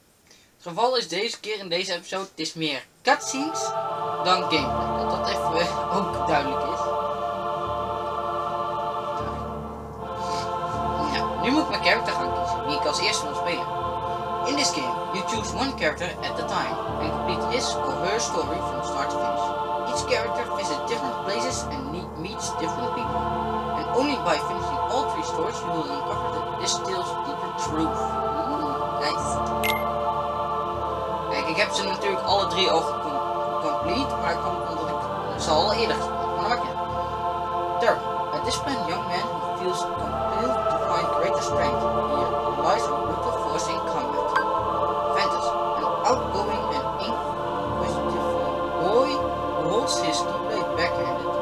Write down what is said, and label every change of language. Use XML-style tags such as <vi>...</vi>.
<nl>Het geval is deze keer in deze episode, het is meer cutscenes dan gameplay. Dat dat even ook duidelijk is. Ja, nu moet ik mijn character gaan kiezen, wie ik als eerste wil spelen.</nl> <en>In this game, you choose one character at a time and complete his or her story from start to finish. Each character visits different places and meets different people. And only by finishing all three stories you will uncover that this tells a deeper truth. Nice.</en> <nl>Ik heb ze natuurlijk alle drie al complete, maar ik kom omdat ik ze al eerder gesproken heb.</nl> <en>Third, at this point, young man who feels compelled to find greater strength here relies on brutal force in combat. Ventus, an outgoing and inquisitive boy, holds his keyblade backhanded.</en>